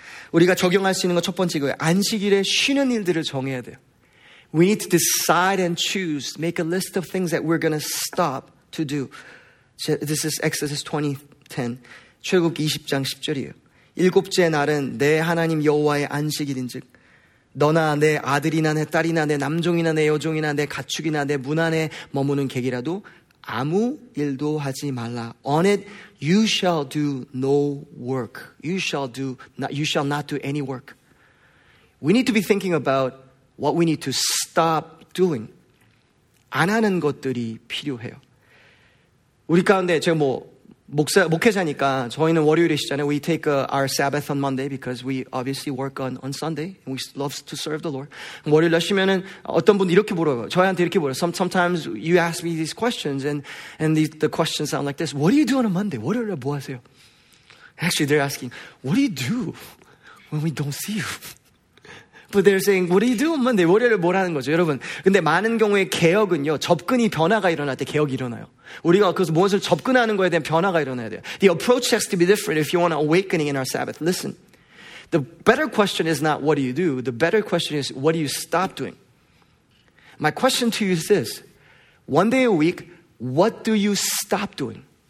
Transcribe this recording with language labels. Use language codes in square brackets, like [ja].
[ko] 우리가 적용할 수 있는 건 첫 번째 이거예요. 안식일에 쉬는 일들을 정해야 돼요. [en] We need to decide and choose, make a list of things that we're going to stop to do. This is Exodus 20:10. [ko] 출애굽기 20장 10절이에요. 일곱째 날은 내 하나님 여호와의 안식일인즉 너나 내 아들이나 내 딸이나 내 남종이나 내 여종이나 내 가축이나 내 문 안에 머무는 객이라도 아무 일도 하지 말라. [en] On it you shall do no work. You shall not do any work. We need to be thinking about what we need to stop doing. [ko] 안 하는 것들이 필요해요. 우리 가운데 제가 뭐 목회자니까 저희는 월요일에 쉬잖아요. [en] We take our Sabbath on Monday because we obviously work on Sunday and we love to serve the Lord. [ko] 월요일에 쉬면은 어떤 분 이렇게 물어요. 저희한테 이렇게 물어요. [en] Sometimes you ask me these questions and the questions sound like this. What do you do on a Monday? [ko] 월요일에 뭐 하세요? [en] Actually, they're asking, what do you do when we don't see you? But they're saying, what do you do on Monday? [ko] 월요일에 뭘 하는 거죠, 여러분? 근데 많은 경우에 개혁은요, 접근이 변화가 일어날 때 개혁이 일어나요. 우리가 그래서 무엇을 접근하는 거에 대한 변화가 일어나야 돼요. [en] The approach has to be different if you want an awakening in our Sabbath. Listen, the better question is not what do you do? The better question is what do you stop doing? My question to you is this. One day a week, what do you stop doing?